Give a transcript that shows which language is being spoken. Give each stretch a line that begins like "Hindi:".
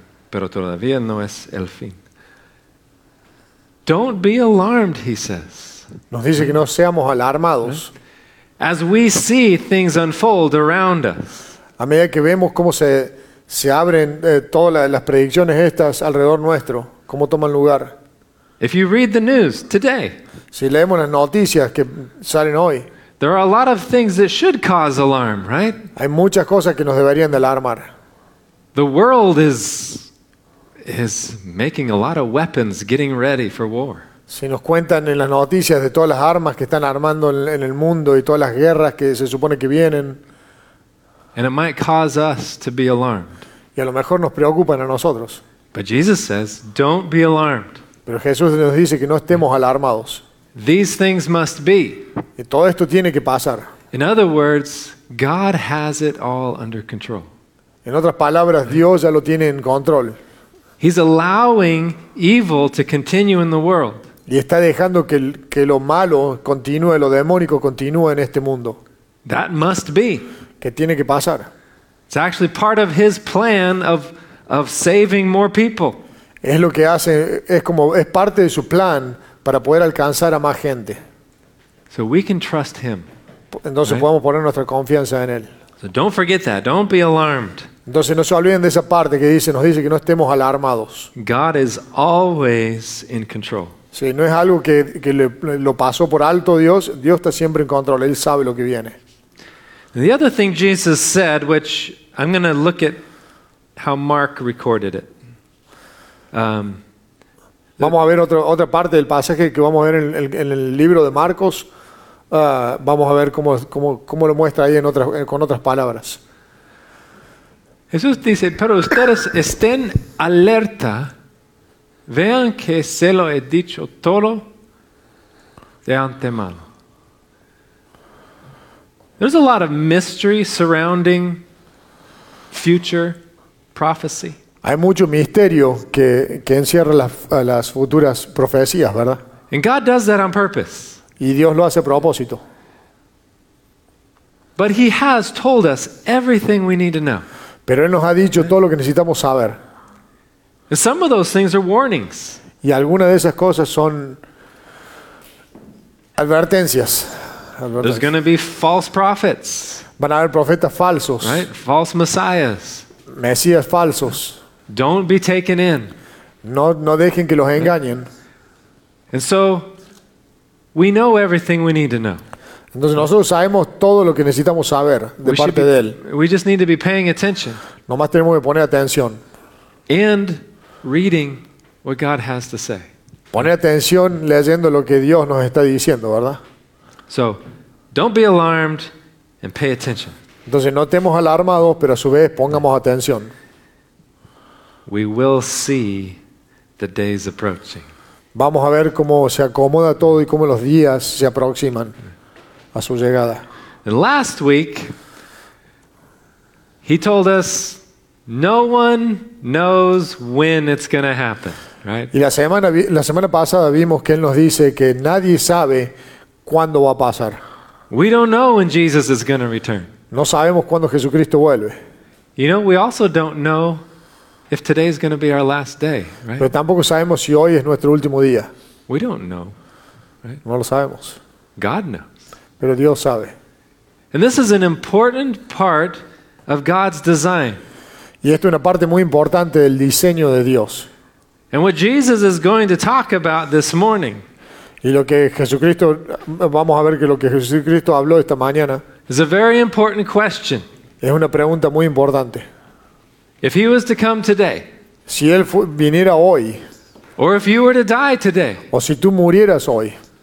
Spanish: Pero todavía no es el fin.
English: Don't be alarmed, he says.
Spanish: Nos dice que no seamos alarmados.
English: As we see things unfold around us.
Spanish: A medida que vemos cómo se abren todas las predicciones estas alrededor nuestro, cómo toman lugar.
English: If you read the news today.
Spanish: Si leemos las noticias que salen hoy.
English: There are a lot of things that should cause alarm, right?
Spanish: Hay muchas cosas que nos deberían de alarmar.
English: The world is making a lot of weapons, getting ready for war.
Spanish: Si nos cuentan en las noticias de todas las armas que están armando en el mundo y todas las guerras que se supone que vienen.
English: And it might cause us to be alarmed.
Spanish: Y a lo mejor nos preocupan a nosotros.
English: But Jesus says, don't be alarmed.
Spanish: Pero Jesús nos dice que no estemos alarmados.
English: These things must be.
Spanish: Y todo esto tiene que pasar.
English: In other words, God has it all under control.
Spanish: En otras palabras, Dios ya lo tiene en control.
English: He's allowing evil to continue in the world.
Spanish: Y está dejando que lo malo continúe, lo demónico continúe en este mundo.
English: That must be.
Spanish: Que tiene que pasar.
English: It's actually part of his plan of saving more people.
Spanish: Es lo que hace, es parte de su plan para poder alcanzar a más gente.
English: So we can trust him.
Spanish: Entonces right? Podemos poner nuestra confianza en él.
English: So don't forget that. Don't be alarmed.
Spanish: Entonces no se olviden de esa parte que dice, nos dice que no estemos alarmados.
English: God is always in control.
Spanish: Sí, no es algo que lo pasó por alto Dios. Dios está siempre en control. Él sabe lo que viene.
English: The other thing Jesus said, which I'm going to look at how Mark recorded it.
Spanish: Vamos a ver otra parte del pasaje que vamos a ver en el libro de Marcos. Vamos a ver cómo lo muestra ahí con otras palabras. Jesús dice, pero ustedes estén alerta, vean que se lo he dicho todo de antemano.
English: There's a lot of mystery surrounding future prophecy.
Spanish: Hay mucho misterio que encierra las futuras profecías, ¿verdad?
English: And God does that on purpose.
Spanish: Y Dios lo hace a propósito.
English: But he has told us everything we need to know.
Spanish: Pero Él nos ha dicho todo lo que necesitamos saber.
English: And some of those things are warnings.
Spanish: Y algunas de esas cosas son advertencias.
English: There's going to be false prophets.
Spanish: Van a haber profetas falsos.
English: Right? False messiahs.
Spanish: Mesías falsos.
English: Don't be taken in.
Spanish: No dejen que los engañen.
English: And so, we know everything we need to know.
Spanish: Entonces nosotros sabemos todo lo que necesitamos saber de parte de Él.
English: We just need to be paying attention.
Spanish: Nomás tenemos que poner atención.
English: And reading what God has to say.
Spanish: Poner atención leyendo lo que Dios nos está diciendo, ¿verdad?
English: So, don't be alarmed and pay attention.
Spanish: Entonces no estemos alarmados, pero a su vez pongamos atención.
English: We will see the days approaching.
Spanish: Vamos a ver cómo se acomoda todo y cómo los días se aproximan a su llegada.
English: And last week, he told us, no one knows when it's going to happen, right?
Spanish: Y la semana pasada vimos que él nos dice que nadie sabe cuándo va a pasar.
English: We don't know when Jesus is going to return.
Spanish: No sabemos cuándo Jesucristo vuelve.
English: You know, we also don't know if today is going to be our last day, right?
Spanish: Pero tampoco sabemos si hoy es nuestro último día.
English: We don't know, right?
Spanish: No lo sabemos.
English: God knows.
Spanish: Pero Dios sabe.
English: And this is an important part of God's design.
Spanish: Y esto es una parte muy importante del diseño de Dios.
English: And what Jesus is going to talk about this morning.
Spanish: Y lo que Jesucristo, vamos a ver que lo que Jesucristo habló esta mañana.
English: Is a very important question.
Spanish: Es una pregunta muy importante.
English: If he was to come today.
Spanish: Si él viniera hoy.
English: Or if you were to die today.
Spanish: O si tú murieras hoy.